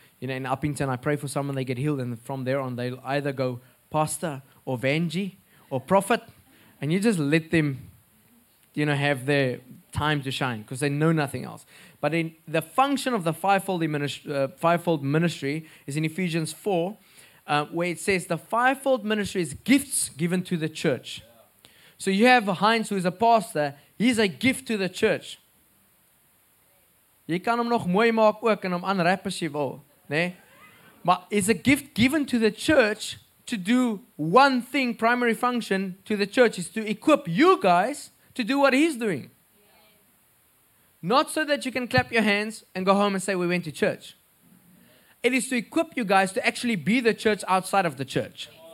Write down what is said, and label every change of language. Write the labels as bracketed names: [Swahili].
[English] You know, in Uppington, I pray for someone, they get healed, and from there on, they'll either go pastor or vanji or prophet, and you just let them, you know, have their time to shine because they know nothing else. But in the function of the fivefold ministry is in Ephesians 4, where it says the fivefold ministry is gifts given to the church. So you have Heinz, who is a pastor, he's a gift to the church. [Afrikaans] Jy kan hom nog mooi maak ook en hom aanrap as jy wil. Nee? [English] But it's a gift given to the church to do one thing, primary function to the church is to equip you guys to do what he's doing. Not so that you can clap your hands and go home and say, we went to church. It is to equip you guys to actually be the church outside of the church.